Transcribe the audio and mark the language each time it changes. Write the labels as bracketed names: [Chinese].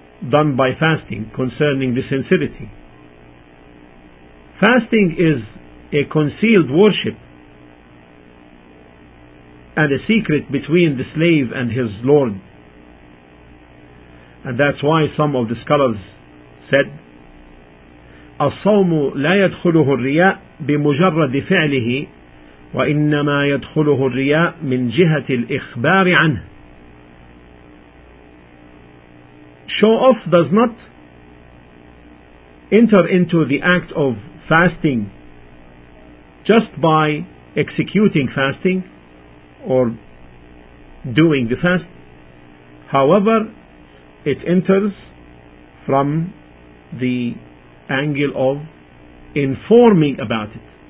[English] done by fasting concerning the sincerity. Fasting is a concealed worship and a secret between the slave and his lord. And that's why some of the scholars said, [Arabic] أَصَوْمُ لَا يَدْخُلُهُ الرِّيَاءُ بِمُجَرَّدِ فِعْلِهِ وَإِنَّمَا يَدْخُلُهُ الرِّيَاءُ مِنْ جِهَةِ الْإِخْبَارِ عَنْهِ. [English] Show off does not enter into the act of fasting just by executing fasting or doing the fast. However, it enters from the angle of informing about it.